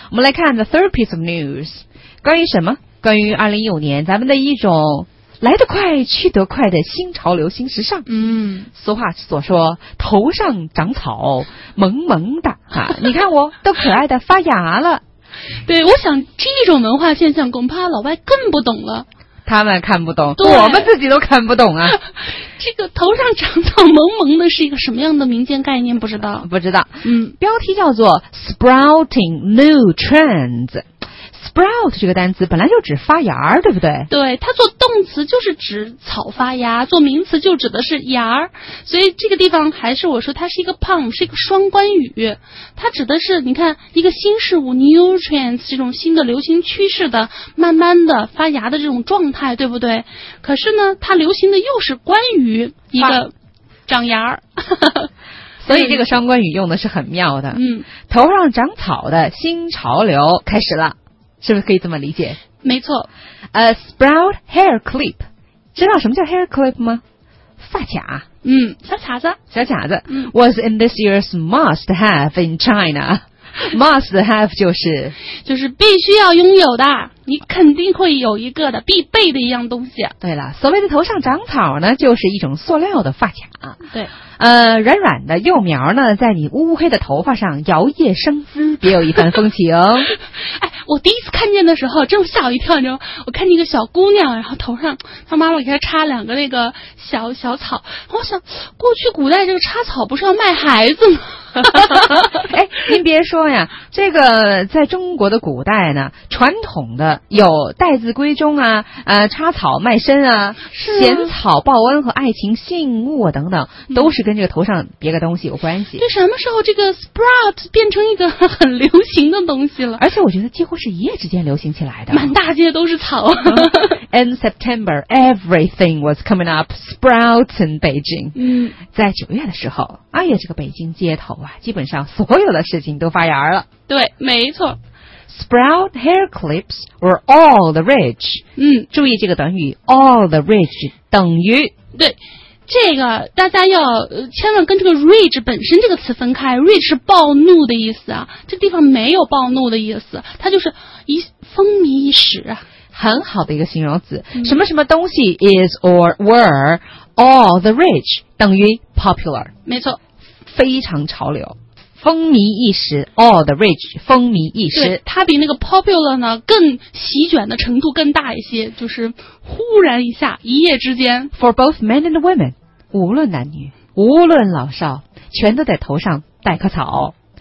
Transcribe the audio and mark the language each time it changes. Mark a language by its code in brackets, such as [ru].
[zh] 我们来看 [en] the third piece of news， [zh] 关于什么？关于2015年咱们的一种来得快去得快的新潮流新时尚。嗯，俗话所说头上长草萌萌的哈，你看我都可爱的发芽了。对，我想这种文化现象恐怕老外更不懂了。他们看不懂，我们自己都看不懂啊。这个头上长草萌萌的是一个什么样的民间概念，不知道。不知道。嗯，标题叫做 [en] Sprouting New Trends。 [zh] Sprout 这个单词本来就指发芽，对不对？对，它做动词就是指草发芽，做名词就指的是芽。所以这个地方还是我说它是一个 pun， 是一个双关语，它指的是你看一个新事物 [en] new trends [zh] 这种新的流行趋势的慢慢的发芽的这种状态，对不对？可是呢它流行的又是关于一个长芽。所以这个双关语用的是很妙的。嗯，头上长草的新潮流开始了，是不是可以这么理解？没错。 [en] Sprout hair clip， [zh] 知道什么叫 [en] hair clip [zh] 吗？发卡。嗯，小卡子。小卡子。嗯。 [en] Was in this year's must have in China。 Must have [zh] 就是必须要拥有的，你肯定会有一个的必备的一样东西。对了，所谓的头上长草呢，就是一种塑料的发卡。对。软软的幼苗呢，在你乌黑的头发上摇曳生姿，别有一番风情。哎，我第一次看见的时候，真吓我一跳，你知道吗？我看见一个小姑娘，然后头上她妈妈给她插两个那个小小草，我想过去古代这个插草不是要卖孩子吗？哎，您别说呀，这个在中国的古代呢，传统的有待字闺中啊，插草卖身啊，衔草报恩和爱情信物啊等等，都是跟这个头上别个东西有关系。对，什么时候这个 sprout 变成一个很流行的东西了？而且我觉得几乎是一夜之间流行起来的，满大街都是草。 [en] In September, everything was coming up sprouts in Beijing。嗯， [zh] 在九月的时候，哎呀，这个北京街头啊，基本上所有的事情都发芽了。对，没错。 [en] Sprout hair clips were all the rage。嗯， [zh] 注意这个短语 ， [en] all the rage [zh] 等于对。这个大家要千万跟这个 rage 本身这个词分开， rage 是暴怒的意思啊，这个地方没有暴怒的意思，它就是一风靡一时啊，很好的一个形容词。什么什么东西 [en] is or were all the rage [zh] 等于 popular，没错，非常潮流，风靡一时， [en] all the rage [zh] 风靡一时。对，它比那个 popular 呢更席卷的程度更大一些，就是忽然一下一夜之间。 [en] For both men and women， [zh] 无论男女无论老少全都在头上戴颗草。